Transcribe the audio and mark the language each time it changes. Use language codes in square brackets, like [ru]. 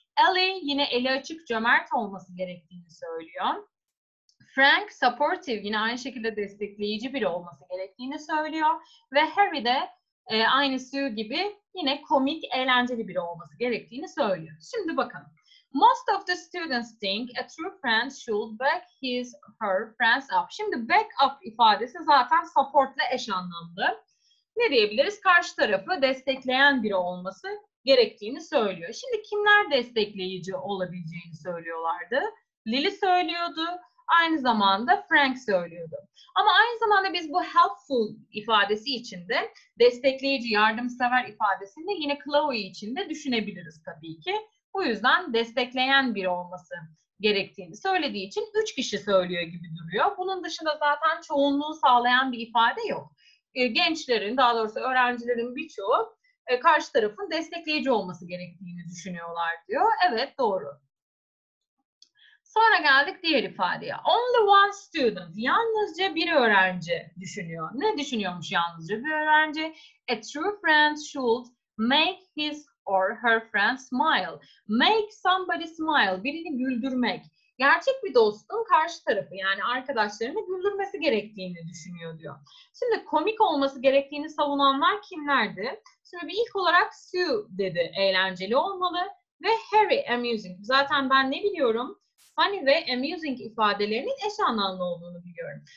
[tr] Ellie yine eli açık, cömert olması gerektiğini söylüyor. Frank supportive, yine aynı şekilde destekleyici biri olması gerektiğini söylüyor. Ve Harry de aynı Sue gibi yine komik, eğlenceli biri olması gerektiğini söylüyor. Şimdi bakalım. [en] Most of the students think a true friend should back his her friends up. [tr] Şimdi back up ifadesi zaten support'la eş anlamlı. Ne diyebiliriz? Karşı tarafı destekleyen biri olması gerektiğini söylüyor. Şimdi kimler destekleyici olabileceğini söylüyorlardı? Lily söylüyordu. Aynı zamanda Frank söylüyordu. Ama aynı zamanda biz bu helpful ifadesi içinde destekleyici, yardımsever ifadesini yine Chloe içinde düşünebiliriz tabii ki. Bu yüzden destekleyen biri olması gerektiğini söylediği için 3 kişi söylüyor gibi duruyor. Bunun dışında zaten çoğunluğu sağlayan bir ifade yok. Gençlerin, daha doğrusu öğrencilerin birçoğu karşı tarafın destekleyici olması gerektiğini düşünüyorlar diyor. Evet, doğru. Sonra geldik diğer ifadeye. [en] Only one student, [tr] yalnızca bir öğrenci düşünüyor. Ne düşünüyormuş yalnızca bir öğrenci? [en] A true friend should make his or her friend smile. Make somebody smile, [tr] birini güldürmek. Gerçek bir dostun karşı tarafı, yani arkadaşlarını güldürmesi gerektiğini düşünüyor diyor. Şimdi komik olması gerektiğini savunanlar kimlerdi? Şimdi bir ilk olarak Sue dedi, eğlenceli olmalı. Ve Harry, amusing. Zaten ben ne biliyorum? Funny ve amusing ifadelerinin eş anlamlı olduğunu biliyorum.